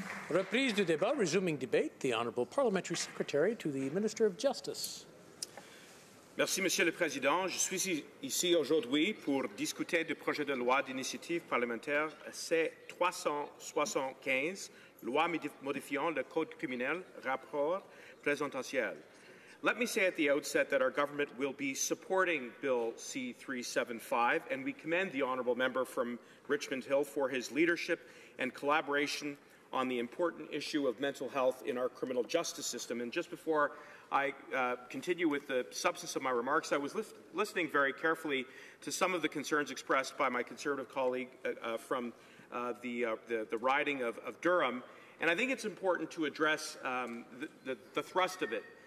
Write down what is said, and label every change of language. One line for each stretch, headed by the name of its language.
French: Reprise du débat,
English: resuming debate, the Honorable Parliamentary Secretary to the Minister of Justice.
French: Merci, Monsieur le Président. Je suis ici aujourd'hui pour discuter du projet de loi d'initiative parlementaire C-375, loi modifiant le code criminel, rapport présentiel.
English: Let me say at the outset that our government will be supporting Bill C-375, and we commend the Honourable Member from Richmond Hill for his leadership and collaboration on the important issue of mental health in our criminal justice system. And just before I continue with the substance of my remarks, I was listening very carefully to some of the concerns expressed by my Conservative colleague from the riding of Durham, and I think it's important to address the thrust of it.